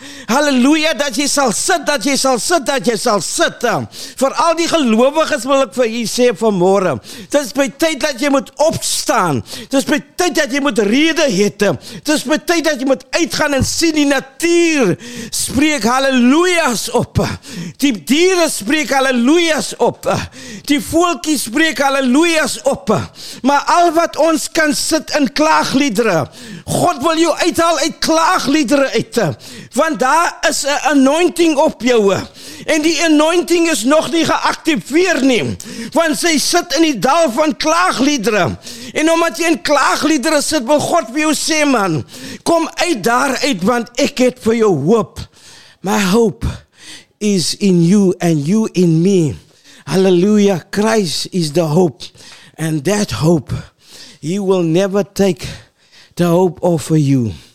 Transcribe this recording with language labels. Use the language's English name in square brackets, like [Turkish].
[Afrikaans] Halleluja, dat jy sal sit, dat jy sal sit, dat jy sal sit. Vir al die gelowiges wil ek vir jy sê vanmôre. Dit is by tyd dat jy moet opstaan. Dit is by tyd dat jy moet rede het. Dit is by tyd dat jy moet uitgaan en sien die natuur. Spreek halleluja's op. Die diere spreek halleluja's op. Die voeltjies spreek halleluja's op. Maar al wat ons kan sit in klaagliedere. God wil jou uithaal uit klaagliedere uit. Want daar is 'n anointing op jou en die anointing is nog nie geaktiveer nie, want sy sit in die dal van klaagliedere. En omdat jy in klaagliedere sit, wil God vir jou sê, man, kom uit daar uit, want ek het vir jou hoop. [English] My hope is in you and you in me. Hallelujah, Christ is the hope, and that hope he will never take the hope off of you.